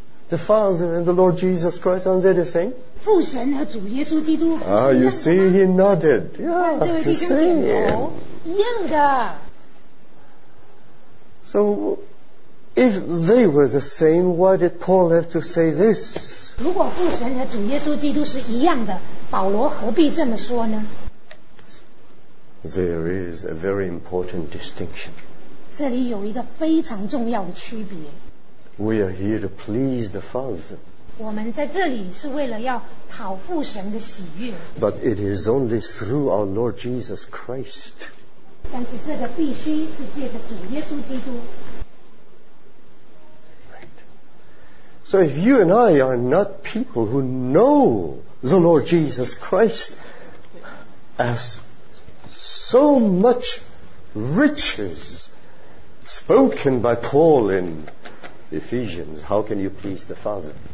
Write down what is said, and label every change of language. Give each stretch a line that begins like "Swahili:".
English: The Father and the Lord Jesus Christ, aren't they the same?
Chinese: 父神和主耶稣基督,
English: you see, he nodded. Yeah, it's the same.
Chinese: 一样的.
English: So, if they were the same, why did Paul have to say this?
Chinese: 如果父神和主耶稣基督是一样的, 保罗何必这么说呢?
English: There is a very important distinction.
Chinese: 这里有一个非常重要的区别。
English: We are here to please the Father.
Chinese: 我们在这里是为了要讨父神的喜悦。
English: But it is only through our Lord Jesus Christ.
Chinese: 但是这个必须是借着主耶稣基督。
English: So if you and I are not people who know the Lord Jesus Christ as so much riches spoken by Paul in Ephesians, how can you please the Father?